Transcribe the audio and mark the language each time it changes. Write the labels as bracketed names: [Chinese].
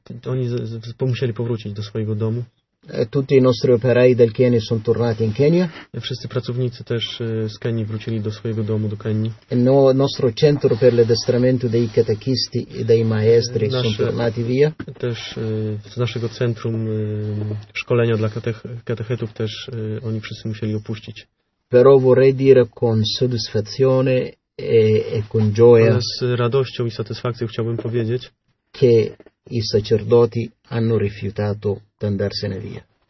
[Polish] Oni musieli powrócić do swojego domu. [Italian] Tutti i nostri operai del Kenya sono tornati in Kenya. [Polish] Wszyscy pracownicy też z Kenii wrócili do swojego domu, do Kenii. [Italian] No, nostro centro per l'addestramento dei catechisti e dei maestri sono tornati via. [Polish] Też z naszego centrum szkolenia dla katechetów też oni wszyscy musieli opuścić. [Italian] Però vorrei dire con soddisfazione e con gioia. [Polish] Z radością i satysfakcją chciałbym powiedzieć, [Italian] che i sacerdoti hanno rifiutato di andarsene via.